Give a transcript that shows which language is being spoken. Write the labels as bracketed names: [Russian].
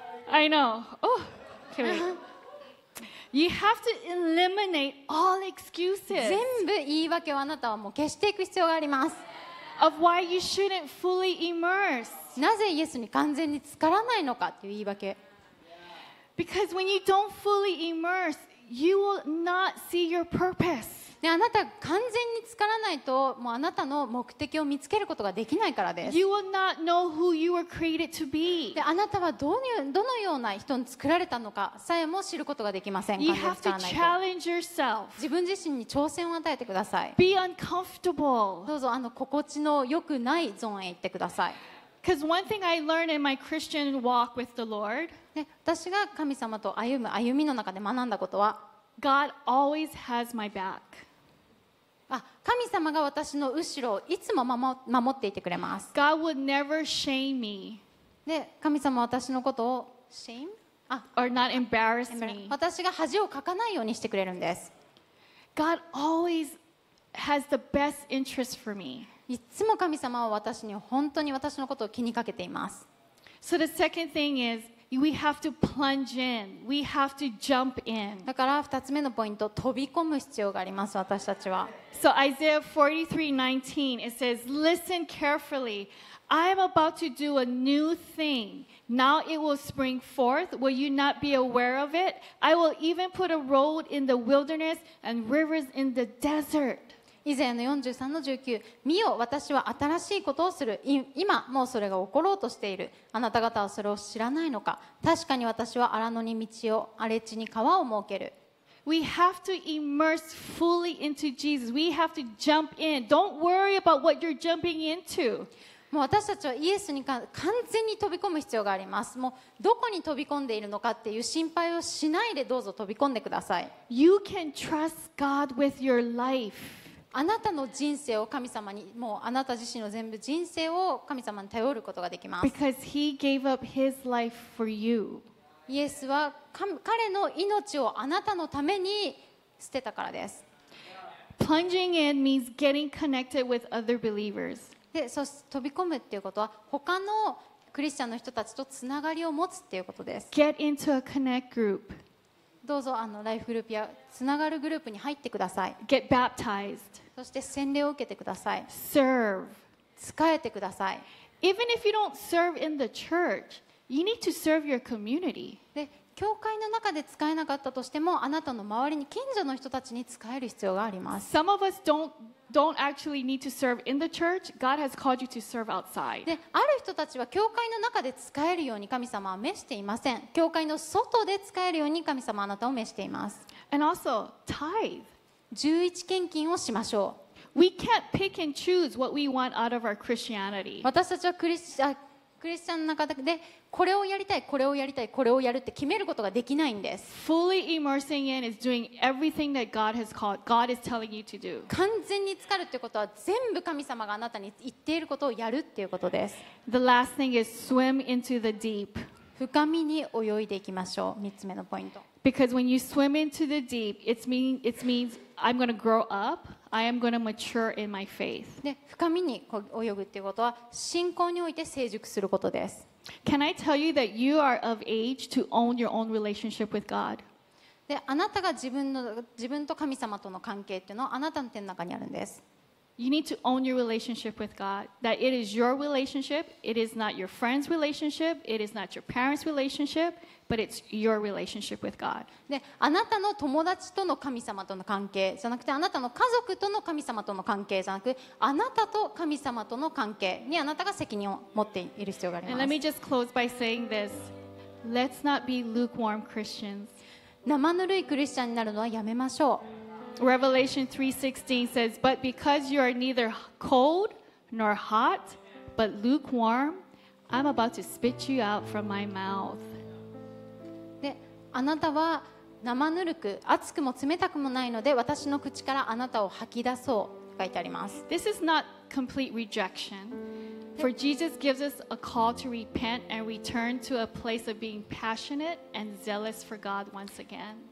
[English] I know. Oh, can we? You have to eliminate all excuses. [Japanese] 全部言い訳をあなたはもう消していく必要があります。 [English] Of why you shouldn't fully immerse. [Japanese] なぜイエスに完全に浸からないのかっていう言い訳。 [English] Because when you don't fully immerse, you will not see your purpose. [Japanese] ね、あなた完全に浸からないと、もうあなたの目的を見つけることができないからです。 [English] You will not know who you were created to be. [Japanese] で、あなたはどのような人に作られたのかさえも知ることができません。 [English] You have to challenge yourself. [Japanese] 自分自身に挑戦を与えてください。 [English] Be uncomfortable. [Japanese] どうぞ、心地の良くないゾーンへ行ってください。 [English] Because one thing I learned in my Christian walk with the Lord. [Japanese] ね、私が神様と歩む歩みの中で学んだことは、 [English] God always has my back. [Japanese] あ、神様が私の後ろをいつも守っていてくれます。 [English] God would never shame me. [Japanese] で、神様は私のことを [English] shame? あ、or not embarrass me. [Japanese] 私が恥をかかないようにしてくれるんです。 [English] God always has the best interest for me. [Japanese] いつも神様は私に本当に私のことを気にかけています。 [English] So the second thing is. We have to plunge in. We have to jump in. [Japanese] だから2つ目のポイント、飛び込む必要があります、私たちは。 [English] So Isaiah 43:19, it says, Listen carefully. I am about to do a new thing. Now it will spring forth. Will you not be aware of it? I will even put a road in the wilderness and rivers in the desert. [Japanese] イザヤの 43-19 見よ、私は新しいことをする。今もうそれが起ころうとしている。あなた方はそれを知らないのか。確かに私は荒野に道を、荒れ地に川を設ける。 [English] We have to immerse fully into Jesus. We have to jump in. Don't worry about what you're jumping into. [Japanese] もう私たちはイエスに完全に飛び込む必要があります。もうどこに飛び込んでいるのかっていう心配をしないで、どうぞ飛び込んでください。 [English] You can trust God with your life [Japanese] あなたの人生を神様に、もうあなた自身の全部人生を神様に頼ることができます。 [English] Because he gave up his life for you. [Japanese] イエスは彼の命をあなたのために捨てたからです。 [English] Plunging in means getting connected with other believers. [Japanese] で、そして飛び込むっていうことは、他のクリスチャンの人たちとつながりを持つっていうことです。 [English] Get into a connect group. [Japanese] どうぞライフグループやつながるグループに入ってください。 [English] Get baptized. [Japanese] そして洗礼を受けてください。 [English] Serve. [Japanese] 仕えてください。 [English] Even if you don't serve in the church, you need to serve your community. [Japanese] で、教会の中で使えなかったとしても、あなたの周りに、近所の人たちに使える必要があります。 [English] Some of us don't actually need to serve in the church. God has called you to serve outside. [Japanese] で、ある人たちは教会の中で使えるように神様は召していません。教会の外で使えるように神様はあなたを召しています。 [English] And also, tithe. [Japanese] 11献金をしましょう。 [English] We can't pick and choose what we want out of our Christianity. [Japanese] 私たちはクリスチャンの中で、これをやりたい、これをやりたい、これをやるって決めることができないんです。 [English] Fully immersing in is doing everything that God has called, God is telling you to do. [Japanese] 完全に浸かるってことは、全部神様があなたに言っていることをやるっていうことです。 [English] The last thing is swim into the deep. [Japanese] 深みに泳いでいきましょう。三つ目のポイント。 [English] Because when you swim into the deep, it means I'm going to grow up. I am going to mature in my faith. [Japanese] で、深みに泳ぐっていうことは信仰において成熟することです。 [English] Can I tell you that you are of age to own your own relationship with God? [Japanese] で、あなたが自分と神様との関係っていうのはあなたの手の中にあるんです。 [English] You need to own your relationship with God. That it is your relationship. It is not your friend's relationship. It is not your parents' relationship. But it's your relationship with God. [Japanese] で、あなたの友達との神様との関係じゃなくて、あなたの家族との神様との関係じゃなく、あなたと神様との関係にあなたが責任を持っている必要があります。 [English] And let me just close by saying this. Let's not be lukewarm Christians. [Japanese] 生ぬるいクリスチャンになるのはやめましょう。 [English] Revelation 3:16 says, But because you are neither cold nor hot, but lukewarm, I'm about to spit you out from my mouth. [Japanese] で、あなたは生ぬるく、熱くも冷たくもないので、私の口からあなたを吐き出そう、と書いてあります。 [English] This is not complete rejection. For Jesus gives us a call to repent and return to a place of being passionate and zealous for God once again.